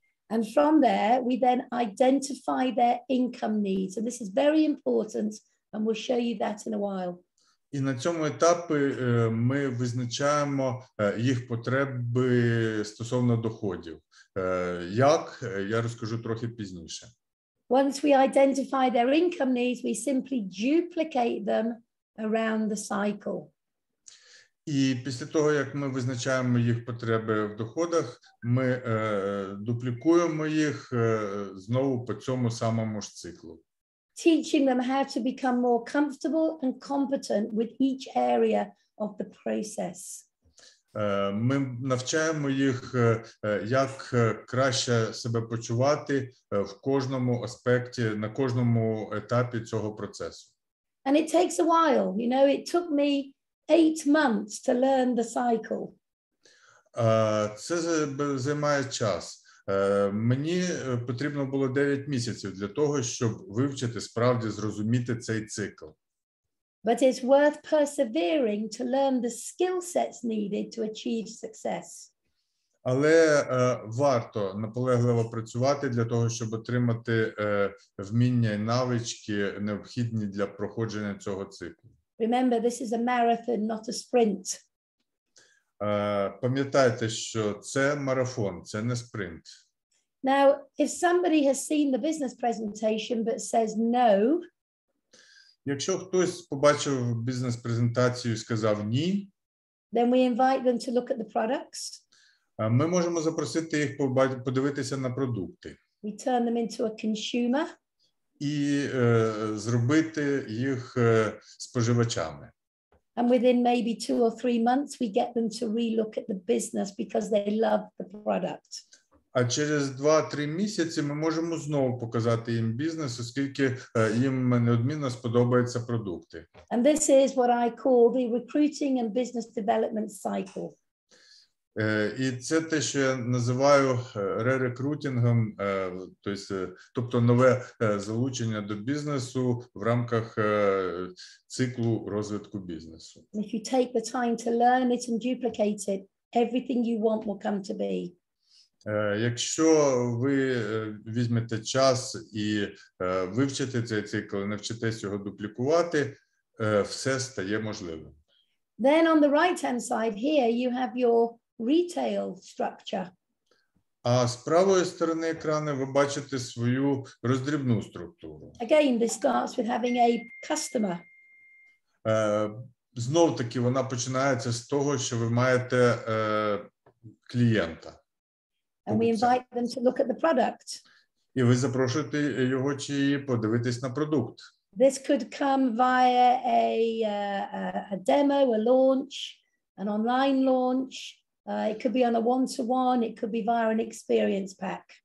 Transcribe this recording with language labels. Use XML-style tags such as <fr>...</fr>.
<en>And from there, we then identify their income needs. And this is very important, and we'll show you that in a while.</en> <uk>І на цьому етапі ми визначаємо їх потреби стосовно доходів. Як? Я розкажу трохи пізніше.</uk> <en>Once we identify their income needs, we simply duplicate them around the cycle.</en> <uk>І після того, як ми визначаємо їх потреби в доходах, ми дуплікуємо їх знову по цьому самому ж циклу.</uk> <en>Teaching them how to become more comfortable and competent with each area of the process.</en> <uk>Ми навчаємо їх, як краще себе почувати в кожному аспекті, на кожному етапі цього процесу.</uk> <en>And it takes a while. You know, it took me 8 months to learn the cycle.</en> <uk>Це займає час. Мені потрібно було 9 місяців для того, щоб вивчити, справді зрозуміти цей цикл.</uk> <en>But it's worth persevering to learn the skill sets needed to achieve success.</en> <uk>Але варто наполегливо працювати для того, щоб отримати вміння і навички, необхідні для проходження цього циклу.</uk> <en>Remember, this is a marathon, not a sprint.</en> <uk>Пам'ятайте, що це марафон, це не спринт.</uk> <en>Now, if somebody has seen the business presentation but says no,</en> <uk>якщо хтось побачив бізнес-презентацію і сказав ні,</uk> <en>then we invite them to look at the products.</en> <uk>Ми можемо запросити їх подивитися на продукти.</uk> <en>We turn them into a consumer.</en> <uk>І зробити їх споживачами.</uk> <en>And within maybe 2 or 3 months, we get them to relook at the business because they love the product.</en> <uk>А через 2-3 місяці ми можемо знову показати їм бізнес, оскільки їм неодмінно сподобаються продукти.</uk> <en>And this is what I call the recruiting and business development cycle.</en> <uk>І це те, що я називаю ререкрутингом, тобто нове залучення до бізнесу в рамках циклу розвитку бізнесу.</uk> <en>If you take the time to learn it and duplicate it, everything you want will come to be.</en> <uk>Якщо ви візьмете час і вивчите цей цикл, навчитесь його дуплікувати, все стає можливим.</uk> <en>Then on the right-hand side here, you have your retail structure.</en> <uk>А з правої сторони екрану ви бачите свою роздрібну структуру.</uk> <en>Again, this starts with having a customer.</en> <uk>Знов-таки, вона починається з того, що ви маєте клієнта.</uk> <en>And we invite them to look at the product.</en> <uk>І ви запрошуєте його чи її подивитись на продукт.</uk> <en>This could come via a demo, a launch, an online launch. It could be on a one-to-one, it could be via an experience pack.</en>